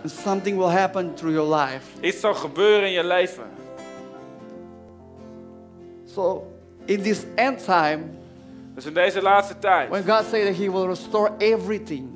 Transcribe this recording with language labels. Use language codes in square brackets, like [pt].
[en] And something will happen through your life. [nl] Iets zal gebeuren in je leven. [en] So in this end time. [nl] Dus in deze laatste tijd. [en] When God said that he will restore everything.